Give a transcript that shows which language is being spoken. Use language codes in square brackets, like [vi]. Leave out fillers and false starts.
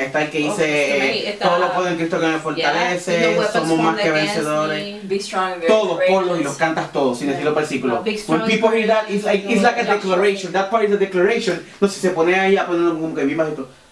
[es] Está el que dice, todo lo puedo en Cristo que me fortalece, somos más que vencedores. Todos, ponlos y los cantas todos, sin decir los versículos. [en] When people hear that, it's like a declaration. That part is a declaration. [es] No sé, se pone ahí a poner como que vimos esto.